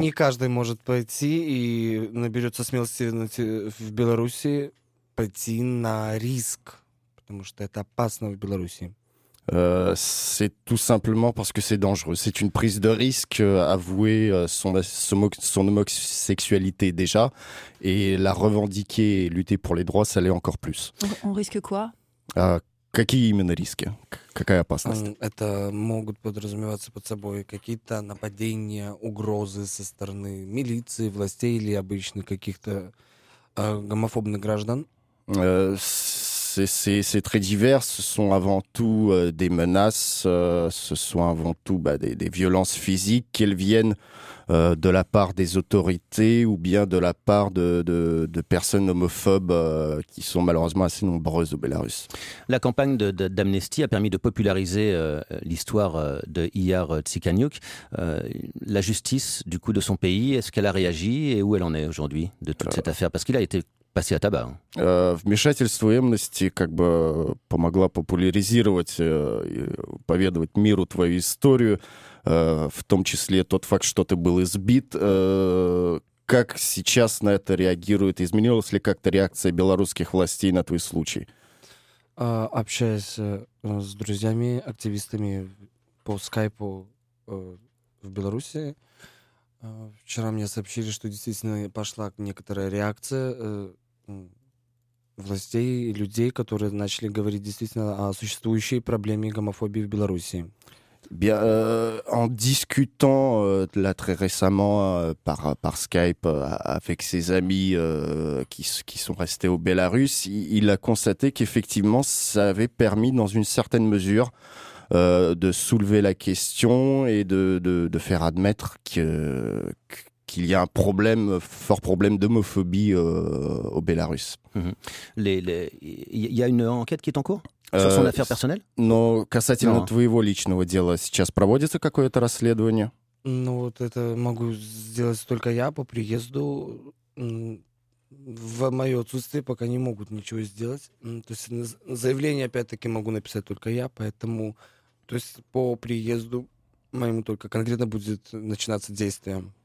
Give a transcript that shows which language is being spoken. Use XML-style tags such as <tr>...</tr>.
<ru>Не каждый может пойти и наберется смелости в Беларуси пойти на риск, потому что это опасно в Беларуси.</ru> <fr>C'est tout simplement parce que c'est dangereux. C'est une prise de risque, avouer son homosexualité déjà, et la revendiquer et lutter pour les droits, ça l'est encore plus. On risque quoi?</fr> <ru>Какие именно риски? Какая опасность? Это могут подразумеваться под собой какие-то нападения, угрозы со стороны милиции, властей или обычных каких-то гомофобных граждан.</ru> <fr>C'est très divers. Ce sont avant tout des menaces, ce sont avant tout des violences physiques, qu'elles viennent de la part des autorités ou bien de la part de personnes homophobes qui sont malheureusement assez nombreuses au Bélarus. La campagne d'Amnesty a permis de populariser l'histoire de Iyar Tsikhanouk. La justice, du coup, de son pays, est-ce qu'elle a réagi et où elle en est aujourd'hui de toute cette affaire ? Parce qu'il a été...</fr> <ru>Спасибо, Таба. Вмешательство Amnesty как бы помогло популяризировать, поведовать миру твою историю, в том числе тот факт, что ты был избит. Как сейчас на это реагирует? Изменилась ли как-то реакция белорусских властей на твой случай? Общаясь с друзьями, активистами по скайпу в Беларуси, вчера мне сообщили, что действительно пошла некоторая реакция властей и людей, которые начали говорить действительно о существующей проблеме гомофобии в Беларуси.</ru> <fr>Bien, en discutant là très récemment par Skype avec ses amis qui sont restés au Bélarus, il a constaté qu'effectivement ça avait permis dans une certaine mesure de soulever la question et de faire admettre qu'il y a un problème, fort problème d'homophobie au Bélarus. Il y a une enquête qui est en cours sur son affaire personnelle?</fr> <ru>Non, касательно твоего личного дела, сейчас проводится какое-то расследование? Ну, вот это могу сделать только я по приезду. в мое отсутствие пока не могут ничего сделать. То есть заявление, опять-таки, могу написать только я, поэтому то есть по приезду моему только конкретно будет начинаться действие.</ru>